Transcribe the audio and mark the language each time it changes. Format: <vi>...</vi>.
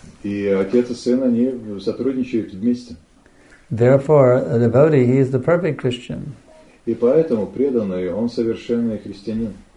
<ru>И отец и сын они сотрудничают вместе.</ru> <en>Therefore, a devotee, he is the perfect Christian.</en> <ru>И поэтому преданный он совершенный христианин.</ru>